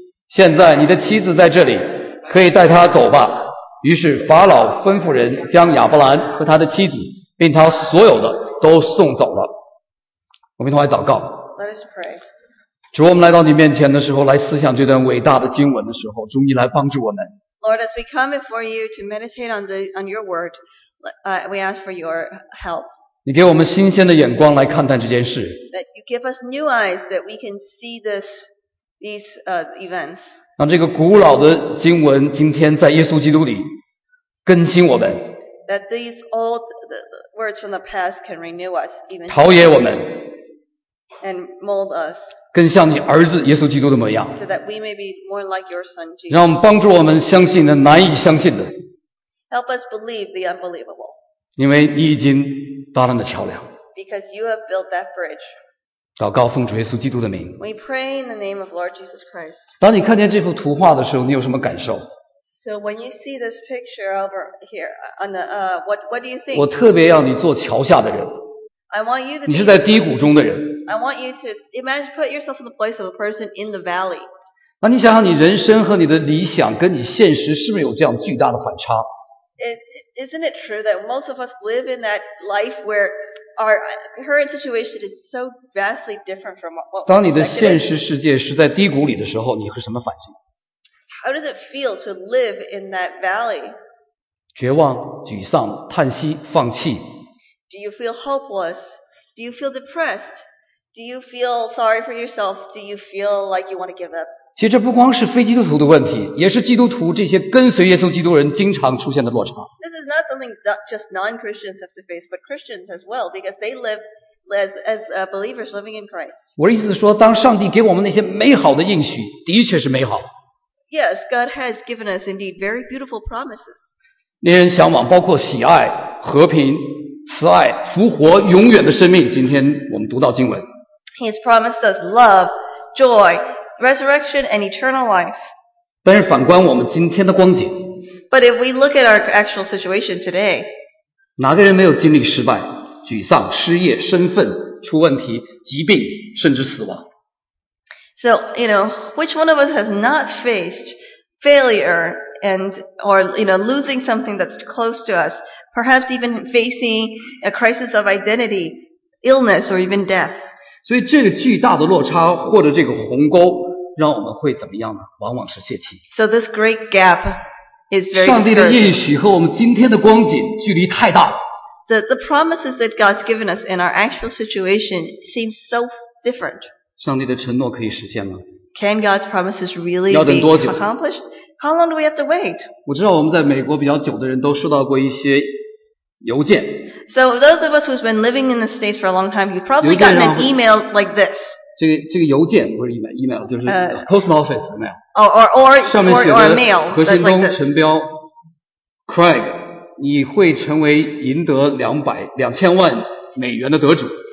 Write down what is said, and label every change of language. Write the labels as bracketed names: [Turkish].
[Chinese] 现在你的妻子在这里，可以带她走吧。于是法老吩咐人将亚伯兰和他的妻子并他所有的都送走了。我们一同来祷告。 [English] Let us pray. [Chinese] 主，我们来到你面前的时候，来思想这段伟大的经文的时候，主你来帮助我们。 [English] Lord, as we come before you to meditate on your word, we ask for your help. [Chinese] 你给我们新鲜的眼光来看待这件事。 [English] That you give us new eyes that we can see these events. [Chinese] 让这个古老的经文今天在耶稣基督里更新我们。 [English] That these old words from the past can renew us even. [Chinese] 陶冶我们。 [English] And mold us. [Chinese] 更像你儿子耶稣基督的模样。 [English] So that we may be more like your son Jesus. [Chinese] 让帮助我们相信的难以相信的。 [English] Help us believe the unbelievable. [Chinese] 因为你已经搭了那桥梁。 [English] Because you have built that bridge. [Chinese] 祷告奉主耶稣基督的名。 [English] We pray in the name of Lord Jesus Christ. [Chinese] 当你看见这幅图画的时候，你有什么感受？ [English] So when you see this picture over here on the what do you think? [Chinese] 我特别要你做桥下的人。 [English] I want you to. [Chinese] 你是在低谷中的人。 [English] I want you to imagine put yourself in the place of a person in the valley. [Chinese] 那你想想，你人生和你的理想跟你现实是不是有这样巨大的反差？ [English] Isn't it true that most of us live in that life where our current situation is so vastly different from what? [Chinese] 当你的现实世界是在低谷里的时候，你会什么反应？ [English] How does it feel to live in that valley? [Chinese] 绝望、沮丧、叹息、放弃。 [English] Do you feel hopeless? Do you feel depressed? Do you feel sorry for yourself? Do you feel like you want to give up? [Chinese] 其实这不光是非基督徒的问题，也是基督徒这些跟随耶稣基督人经常出现的落差。 [English] This is not something that just non-Christians have to face, but Christians as well, because they live as believers living in Christ. [Chinese] 我的意思是说，当上帝给我们那些美好的应许，的确是美好。 [English] Yes, God has given us indeed very beautiful promises. [Chinese] 令人向往，包括喜爱、和平、慈爱、复活、永远的生命。今天我们读到经文。 [English] He has promised us love, joy, resurrection, and eternal life. [Chinese] 但是反观我们今天的光景。 [English] But if we look at our actual situation today. [Chinese] 哪个人没有经历失败、沮丧、失业、身份出问题、疾病，甚至死亡？ [English] So, you know, which one of us has not faced failure and, or, you know, losing something that's close to us, perhaps even facing a crisis of identity, illness, or even death? [Chinese] 所以这个巨大的落差或者这个鸿沟让我们会怎么样呢？往往是泄气。 [English] So this great gap is very [Chinese] 上帝的应许和我们今天的光景距离太大了。 [English] The promises that God's given us in our actual situation seem so different. [Chinese] 上帝的承诺可以实现吗？ [English] Can God's promises really be accomplished? How long do we have to wait? [Chinese] 我知道我们在美国比较久的人都收到过一些邮件。 [English] So those of us who's been living in the States for a long time, you've probably gotten an email like this. [Chinese] 这个邮件不是 email 就是 [English] post office mail. Or mail. [Chinese] 何新东陈彪 Craig你会成为赢得2,000,000美元的得主。